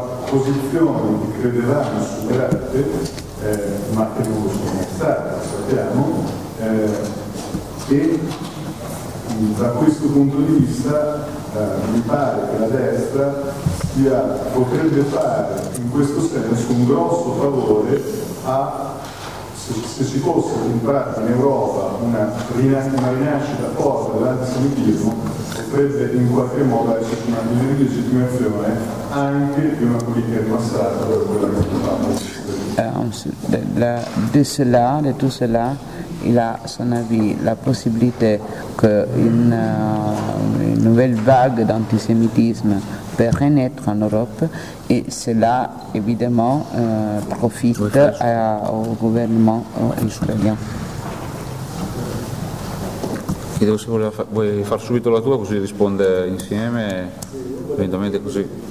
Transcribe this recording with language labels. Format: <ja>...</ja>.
<it>Posizioni che credevamo superate, ma che non sono state, sappiamo, e da questo punto di vista mi pare che la destra potrebbe fare in questo senso un grosso favore a se ci fosse in pratica in Europa una rinascita forte dell'antisemitismo. Potrebbe in qualche modo essere una delegittimazione anche di una politica passata da quella che si fa.</it> <fr>De cela, de tout cela, il a, à son avis, la possibilité qu'une nouvelle vague d'antisémitisme peut renaître en Europe, et cela, évidemment, profite au gouvernement israélien.</fr> <it>Chiedevo se vuoi far subito la tua, così risponde insieme, eventualmente così.</it>